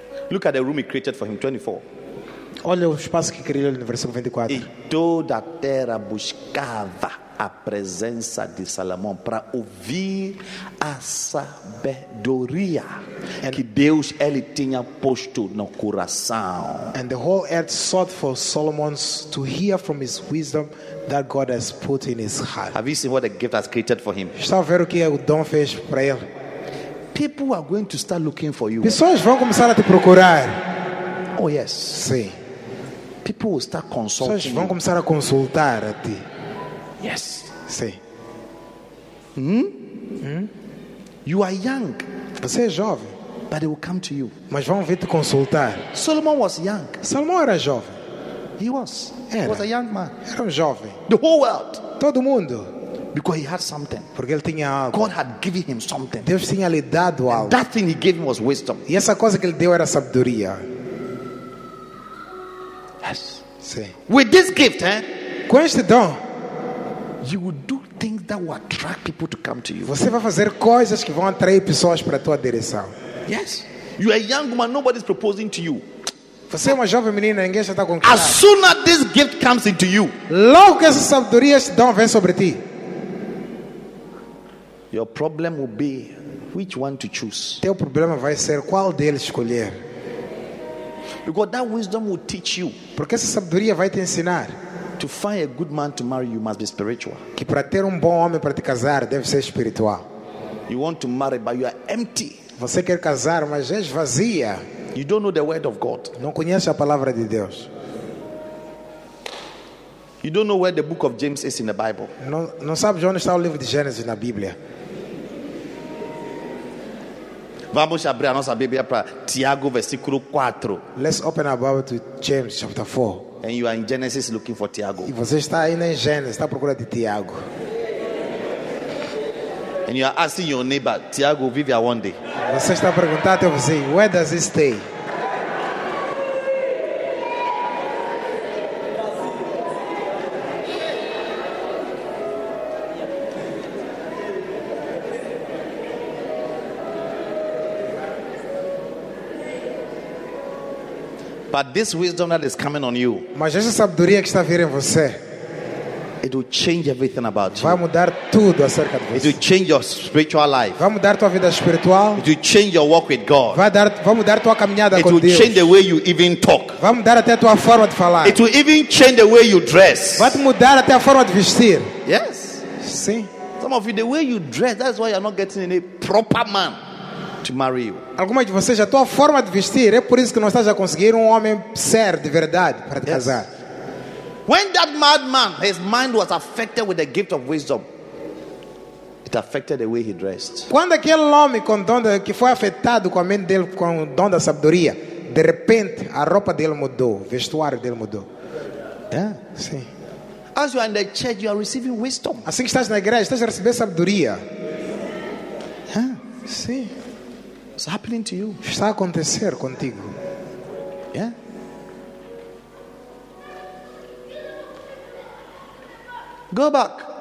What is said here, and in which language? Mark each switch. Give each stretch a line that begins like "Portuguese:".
English: Look at the room he created for him, 24.
Portuguese: Olha o espaço que criou ele no versículo 24. E toda a terra buscava a presença de Salomão para ouvir a sabedoria que Deus ele tinha posto no coração.
English: And the whole earth sought for Solomon to hear from his wisdom that God has put in his heart. Have you seen what the gift has created for him?
Portuguese: Está vendo o que o dom fez para ele?
English: People are going to start looking for you.
Portuguese: Pessoas vão começar a te procurar.
English: Oh yes.
Portuguese: Sim.
English: People will start consulting.
Portuguese: Pessoas vão começar a consultar a ti.
English: Yes.
Portuguese: Sim.
English: You are young.
Portuguese: Você é jovem.
English: But they will come to you.
Portuguese: Mas vão vir te consultar.
English: Solomon was young.
Portuguese: Salomão era jovem.
English: He was.
Portuguese: Era.
English: He was a young man.
Portuguese: Era um jovem.
English: The whole world.
Portuguese: Todo mundo.
English: Because he had something.
Portuguese: Porque ele tinha algo.
English: God had given him something.
Portuguese: Deus tinha lhe dado algo.
English: And that thing he gave him was wisdom.
Portuguese: E essa coisa que ele deu era sabedoria.
English: Yes.
Portuguese: Sim.
English: With this gift, eh?
Portuguese: Com este dom.
English: You will do things that will attract people to come to you.
Portuguese: Você vai fazer coisas que vão atrair pessoas para a tua direção.
English: Yes. You are a young woman, nobody's proposing to you.
Portuguese: Você é uma jovem menina, ninguém está conquistando.
English: As soon as this gift comes into you.
Portuguese: Logo que essa sabedoria se dá vem sobre ti.
English: Your problem will be which one to choose.
Portuguese: Teu problema vai ser qual deles escolher.
English: Because that wisdom will teach you.
Portuguese: Porque essa sabedoria vai te ensinar.
English: To find a good man to marry, you must be spiritual.
Portuguese: Que para ter bom homem para te casar, deve ser espiritual.
English: You want to marry, but you are empty.
Portuguese: Você quer casar, mas és vazia.
English: You don't know the word of God.
Portuguese: Não conhece a palavra de Deus.
English: You don't know where the book of James is in the Bible.
Portuguese: Não sabe onde está o livro de Gênesis na Bíblia. Vamos abrir a nossa Bíblia para Tiago, versículo 4.
English: Let's open our Bible to James, chapter 4. And you are in Genesis looking for Tiago.
Portuguese: E você está ainda em Gênesis, está procurando Tiago.
English: And you are asking your neighbor,
Portuguese: Tiago vive aonde? Você está perguntando ao vizinho,
English: where does he stay? But this wisdom that is coming on you,
Portuguese: mas essa sabedoria que está a vir em você,
English: it will change everything about you.
Portuguese: Vai mudar tudo acerca de você.
English: It will change your spiritual life.
Portuguese: Vai mudar tua vida espiritual.
English: It will change your walk with God.
Portuguese: Vai mudar tua caminhada com Deus.
English: It will change the way you even talk.
Portuguese: Vai mudar até tua forma de falar.
English: It will even change the way you dress.
Portuguese: Vai mudar até a forma de vestir.
English: Yes.
Portuguese: Sim.
English: Some of you, the way you dress, that's why you're not getting any proper man to marry you.
Portuguese: Algumas de vocês, a tua forma de vestir, é por isso que não estás a conseguir homem sério de verdade para te casar.
English: When that madman, his mind was affected with the gift of wisdom, it affected the way he dressed.
Portuguese: Quando aquele homem com dom de, que foi afetado com a mente dele com o dom da sabedoria, de repente a roupa dele mudou, o vestuário dele mudou.
English: Yeah.
Portuguese: Sim.
English: As you are in the church, you are receiving wisdom.
Portuguese: Assim que estás na igreja, estás a receber sabedoria.
English: Yeah.
Portuguese: Sim.
English: It's happening to you.
Portuguese: Está a acontecer contigo.
English: Yeah. Go back.